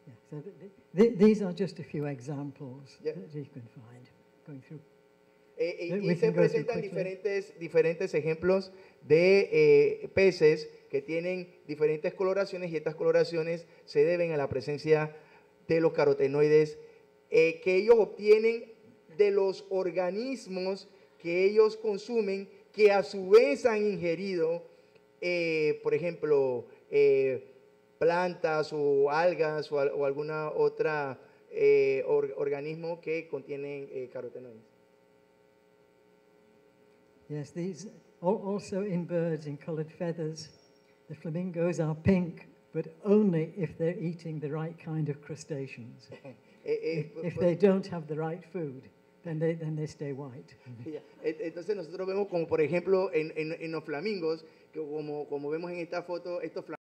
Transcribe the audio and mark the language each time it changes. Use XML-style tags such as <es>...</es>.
<en>So these are just a few examples that you can find going through.</en> <es>Y se presentan diferentes ejemplos de peces que tienen diferentes coloraciones, y estas coloraciones se deben a la presencia de los carotenoides que ellos obtienen de los organismos que ellos consumen, que a su vez han ingerido, por ejemplo, plantas o algas o alguna otra organismo que contienen carotenoides.</es> <en>Yes, these also in birds in colored feathers. The flamingos are pink, but only if they're eating the right kind of crustaceans. if they don't have the right food, then they stay white. Yeah.</en> <es>Entonces nosotros vemos como por ejemplo en los flamingos, que como vemos en esta foto, estos</es>